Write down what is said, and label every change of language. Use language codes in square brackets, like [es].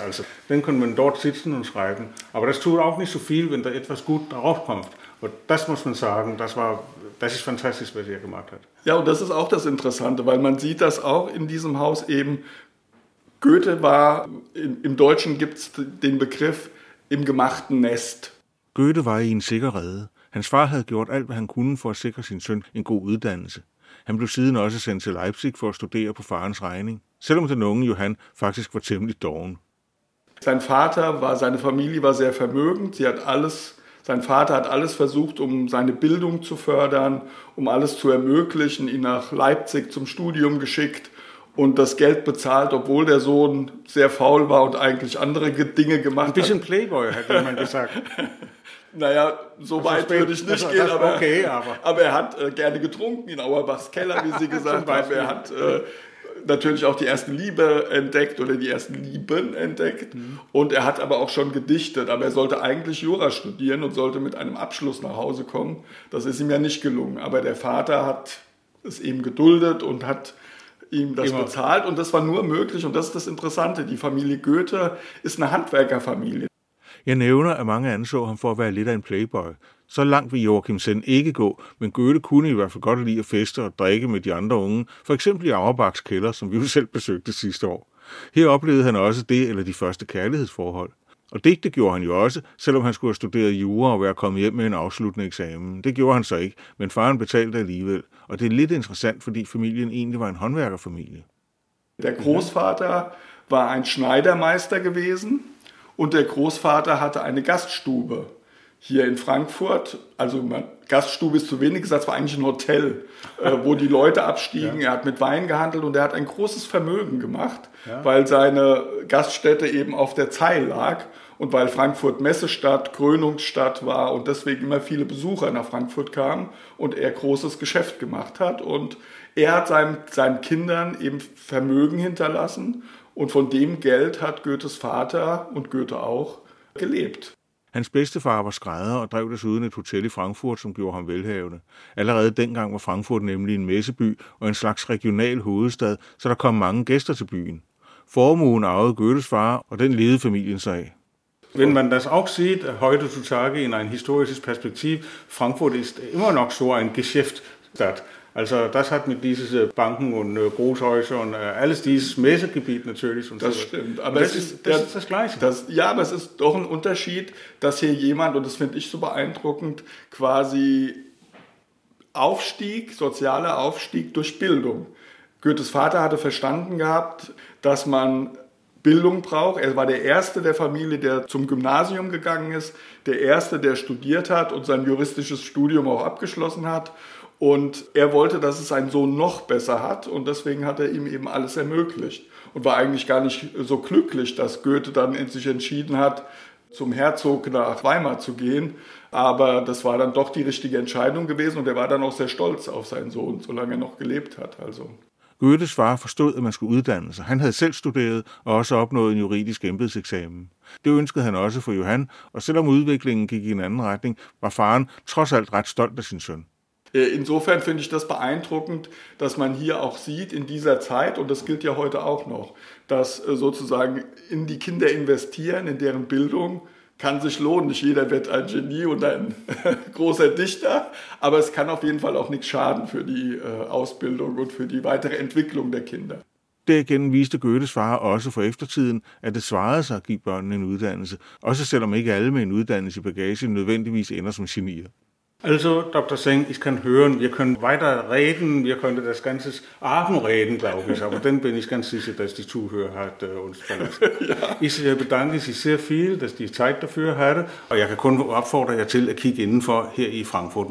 [de] Also dann kann man dort sitzen und schreiben. Aber das tut auch nicht so viel, wenn da etwas gut drauf kommt. Und das muss man sagen, das ist fantastisch, was er gemacht hat. Ja, und das ist auch das Interessante, weil man sieht das auch in diesem Haus eben. Goethe war, im Deutschen gibt es den Begriff im gemachten Nest. [da] Goethe war i en sikker rede. Hans far havde gjort alt, hvad han kunne for at sikre sin søn en god uddannelse. Han blev siden også sendt til Leipzig for at studere på farens regning, selvom den unge Johan faktisk var temmelig doven. [de] Sein Vater war, seine Familie war sehr vermögend. Sein Vater hat alles versucht, um seine Bildung zu fördern, um alles zu ermöglichen, ihn nach Leipzig zum Studium geschickt und das Geld bezahlt, obwohl der Sohn sehr faul war und eigentlich andere Dinge gemacht hat. Ein bisschen Playboy, hat jemand gesagt. Naja, so weit würde ich nicht gehen, aber er hat gerne getrunken in Auerbachs Keller, wie Sie gesagt haben. Er hat natürlich auch die erste Liebe entdeckt oder die ersten Lieben entdeckt. Mhm. Und er hat aber auch schon gedichtet. Aber er sollte eigentlich Jura studieren und sollte mit einem Abschluss nach Hause kommen. Das ist ihm ja nicht gelungen. Aber der Vater hat es eben geduldet und hat ihm das bezahlt. Und das war nur möglich. Und das ist das Interessante. Die Familie Goethe ist eine Handwerkerfamilie. [da] Jeg nævner, at mange anså ham for at være lidt af en playboy. Så langt vil Joachim Senn ikke gå, men Goethe kunne i hvert fald godt lide at feste og drikke med de andre unge, for eksempel i Auerbachs kælder, som vi jo selv besøgte sidste år. Her oplevede han også det eller de første kærlighedsforhold. Og digte gjorde han jo også, selvom han skulle have studeret jura og være kommet hjem med en afsluttende eksamen. Det gjorde han så ikke, men faren betalte alligevel. Og det er lidt interessant, fordi familien egentlig var en håndværkerfamilie. [de] Der Großvater [da] var en [de] Schneidermeister gewesen. Und der Großvater hatte eine Gaststube hier in Frankfurt. Also Gaststube ist zu wenig gesagt, es war eigentlich ein Hotel, wo die Leute abstiegen. Ja. Er hat mit Wein gehandelt und er hat ein großes Vermögen gemacht, weil seine Gaststätte eben auf der Zeil lag und weil Frankfurt Messestadt, Krönungsstadt war und deswegen immer viele Besucher nach Frankfurt kamen und er großes Geschäft gemacht hat. Und er hat seinen Kindern eben Vermögen hinterlassen. Und von dem Geld hat Goethes Vater und Goethe auch gelebt. [da] Hans bedstefar var skrædder og drev desuden et hotel i Frankfurt, som gjorde ham velhavende. Allerede dengang var Frankfurt nemlig en messeby og en slags regional hovedstad, så der kom mange gæster til byen. Formuen arvede Goethes far, og den levede familien sig af. [de] Wenn man das auch sieht, heute zu Tage in ein historisches Perspektiv, Frankfurt ist immer noch so ein Geschäftsstadt. Also das hat mit dieses Banken und Großhäuser und alles dieses Messegebiet natürlich. Und das so stimmt, aber das ist das Gleiche. Aber es ist doch ein Unterschied, dass hier jemand, und das finde ich so beeindruckend, quasi Aufstieg, sozialer Aufstieg durch Bildung. Goethes Vater hatte verstanden gehabt, dass man Bildung braucht. Er war der Erste der Familie, der zum Gymnasium gegangen ist, der Erste, der studiert hat und sein juristisches Studium auch abgeschlossen hat. Und er wollte, dass es seinen Sohn noch besser hat und deswegen hat er ihm eben alles ermöglicht und war eigentlich gar nicht so glücklich, dass Goethe dann in sich entschieden hat, zum Herzog nach Weimar zu gehen. Aber das war dann doch die richtige Entscheidung gewesen und er war dann auch sehr stolz auf seinen Sohn, solange er noch gelebt hat. Also. [da] Goethe war forstået, at man skulle uddanne sig. Han havde selv studeret og også opnået en juridisk embedseksamen. Det ønskede han også for Johan, og selvom udviklingen gik i en anden retning, var faren trods alt ret stolt af sin søn. [de] Insofern finde ich das beeindruckend, dass man hier auch sieht in dieser Zeit, und das gilt ja heute auch noch, dass sozusagen in die Kinder investieren, in deren Bildung, kann sich lohnen. Nicht jeder wird ein Genie und ein großer Dichter, aber es kann auf jeden Fall auch nichts schaden für die Ausbildung und für die weitere Entwicklung der Kinder. [da] Derigennem viste Goethes far også for eftertiden, at det svarede sig at give børnene en uddannelse, også selvom ikke alle med en uddannelse i bagage nødvendigvis ender som genier. [de] Also, Dr. Seng, ich kann hören, wir können weiter reden, wir können das ganze Abend reden, glaube ich. Aber dann bin ich ganz sicher, dass die Zuhörer hat uns verlassen. Ja. Ich bedanke Sie sehr viel, dass die Zeit dafür hatte. Und ich kann nur opfordern, Sie zu kicken innenfor hier in Frankfurt.